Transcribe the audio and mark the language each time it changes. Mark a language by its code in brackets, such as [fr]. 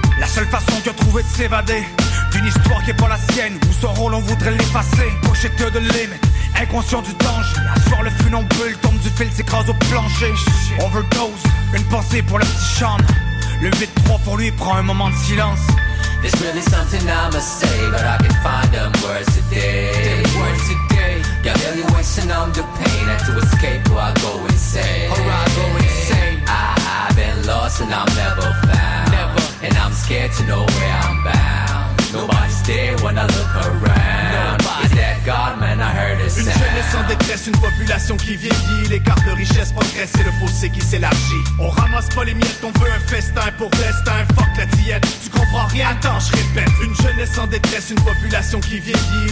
[fr] La seule façon qu'il a trouvé de s'évader d'une histoire qui est pas la sienne, où son rôle on voudrait l'effacer. Pocheteux de limite, inconscient du danger. Assoir le funambule, tombe du fil, s'écrase au plancher. Overdose, une pensée pour le petit Sean. Le 8-3 pour lui prend un moment de silence. [en] There's really something I must say, but I can find them words today. Got really wishing on the pain, and to escape, or I'll go insane. Or I'll go insane. I've been lost and I'm never found. Never. And I'm scared to know where I'm bound. Nobody's there when I look around. Nobody. Is that God, man? I heard his sound. [fr] Une jeunesse en détresse, une population qui vieillit. L'écart de richesse progresse et le fossé qui s'élargit. On ramasse pas les miettes, on veut un festin pour destin. Fuck la diète. Rien, attends, je répète. Une jeunesse en détresse, une population qui vieillit.